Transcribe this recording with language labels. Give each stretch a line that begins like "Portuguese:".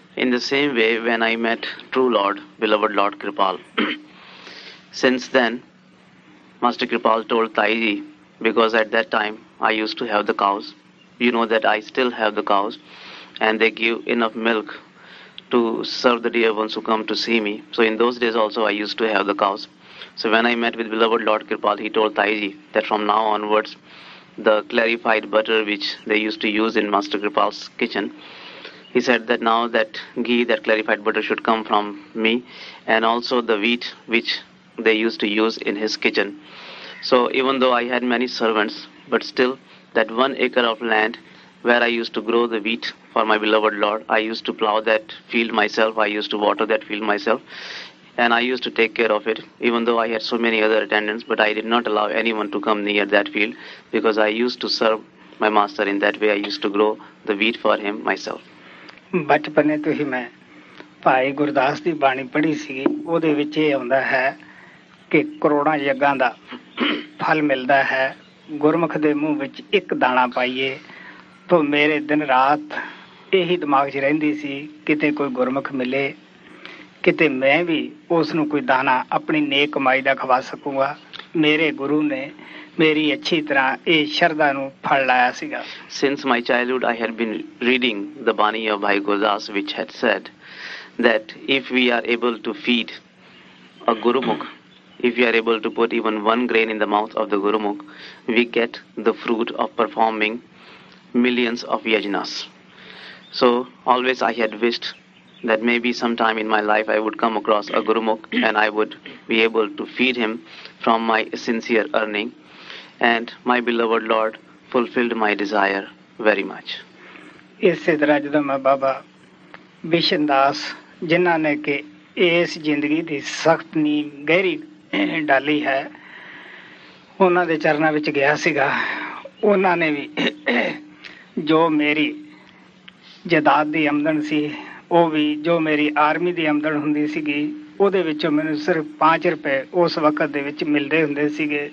English: In the same way when I met true lord beloved lord Kirpal, since then master Kirpal told Tai ji, because at that time I used to have the cows, you know that I still have the cows, and they give enough milk to serve the dear ones who come to see me. So in those days also I used to have the cows. So when I met with beloved Lord Kirpal, he told Taiji that from now onwards the clarified butter which they used to use in Master Kirpal's kitchen, he said that now that ghee, that clarified butter should come from me, and also the wheat which they used to use in his kitchen. So even though I had many servants, but still that 1 acre of land where I used to grow the wheat for my beloved Lord, I used to plow that field myself, I used to water that field myself, and I used to take care of it, even though I had so many other attendants, but I did not allow anyone to come near that field, because I used to serve my master in that way, I used to grow the wheat for him myself.
Punjabi: ਬਚਪਨੇ ਤੋਂ ਹੀ ਮੈਂ ਭਾਈ ਗੁਰਦਾਸ ਦੀ ਬਾਣੀ ਪੜ੍ਹੀ ਸੀ, ਉਹਦੇ ਵਿੱਚ ਇਹ ਆਉਂਦਾ ਹੈ ਕਿ ਕਰੋੜਾਂ ਯੱਗਾਂ ਦਾ ਫਲ ਮਿਲਦਾ ਹੈ, ਗੁਰਮੁਖ ਦੇ ਮੂੰਹ ਵਿੱਚ ਇੱਕ ਦਾਣਾ ਪਾਈਏ. ਤੋ ਮੇਰੇ ਦਿਨ ਰਾਤ ਇਹੀ ਦਿਮਾਗ 'ਚ ਰਹਿੰਦੀ ਸੀ, ਕਿਤੇ ਕੋਈ ਗੁਰਮੁਖ ਮਿਲੇ, ਕਿਤੇ ਮੈਂ ਵੀ ਉਸਨੂੰ ਕੋਈ ਦਾਣਾ ਆਪਣੀ ਨੇਕ ਕਮਾਈ ਦਾ ਖਵਾ ਸਕੂੰਗਾ. ਮੇਰੇ ਗੁਰੂ ਨੇ ਮੇਰੀ ਅੱਛੀ ਤਰ੍ਹਾਂ ਇਹ ਸ਼ਰਧਾ ਨੂੰ ਫਲ ਲਾਇਆ ਸੀਗਾ.
English: Since my childhood I had been reading the Bani of Bhai Gurdas which had said that if we are able to feed a gurmukh, if we are able to put even one grain in the mouth of the gurumukh, we get the fruit of performing millions of yajnas. So always I had wished that maybe sometime in my life I would come across a gurumukh and I would be able to feed him from my sincere earning, and my beloved Lord fulfilled my desire very much.
Punjabi: Isse tarah jadon main baba Bishandas jinna ne ke is zindagi di sakht neem gehri ਡਾਲੀ ਹੈ ਉਹਨਾਂ ਦੇ ਚਰਨਾਂ ਵਿੱਚ ਗਿਆ ਸੀਗਾ, ਉਹਨਾਂ ਨੇ ਵੀ ਜੋ ਮੇਰੀ ਜਾਇਦਾਦ ਦੀ ਆਮਦਨ ਸੀ, ਉਹ ਵੀ ਜੋ ਮੇਰੀ ਆਰਮੀ ਦੀ ਆਮਦਨ ਹੁੰਦੀ ਸੀਗੀ, ਉਹਦੇ ਵਿੱਚੋਂ ਮੈਨੂੰ ਸਿਰਫ 5 ਰੁਪਏ ਉਸ ਵਕਤ ਦੇ ਵਿੱਚ ਮਿਲਦੇ ਹੁੰਦੇ ਸੀਗੇ.